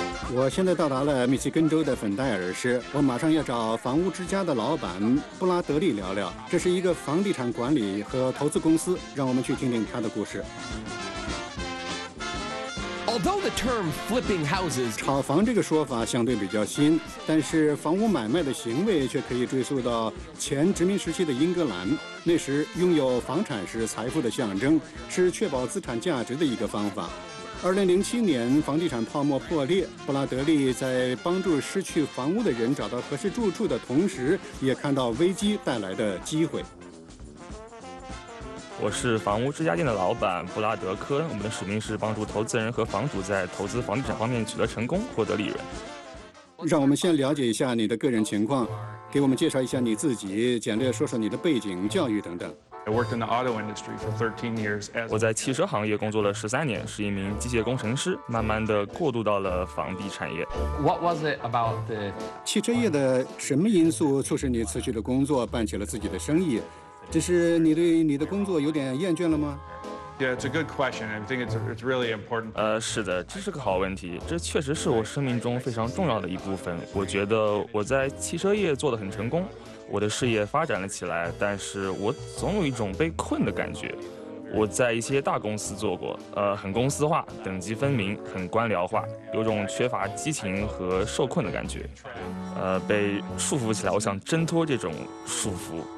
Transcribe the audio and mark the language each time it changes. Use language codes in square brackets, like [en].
[zh] 我现在到达了密西根州的粉戴尔市，我马上要找房屋之家的老板布拉德利聊聊。这是一个房地产管理和投资公司，让我们去听听他的故事。 [en] Although the term flipping houses [zh] 炒房这个说法相对比较新，但是房屋买卖的行为却可以追溯到前殖民时期的英格兰。那时拥有房产是财富的象征，是确保资产价值的一个方法。 2007年，房地产泡沫破裂，布拉德利在帮助失去房屋的人找到合适住处的同时，也看到危机带来的机会。我是房屋之家店的老板布拉德科，我们的使命是帮助投资人和房主在投资房地产方面取得成功，获得利润。让我们先了解一下你的个人情况，给我们介绍一下你自己，简略说说你的背景、教育等等。 [en] I worked in the auto industry for 13 years. [zh] 我在汽车行业工作了13年，是一名机械工程师，慢慢的过渡到了房地产业。 [en] What was it about the [zh] 汽车业的什么因素促使你辞去了工作，办起了自己的生意？只是你对你的工作有点厌倦了吗？ [en] Yeah, it's a good question. I think it's really important. [zh] 是的，这是个好问题。这确实是我生命中非常重要的一部分。我觉得我在汽车业做得很成功，我的事业发展了起来，但是我总有一种被困的感觉。我在一些大公司做过，很公司化，等级分明，很官僚化，有种缺乏激情和受困的感觉，被束缚起来，我想挣脱这种束缚。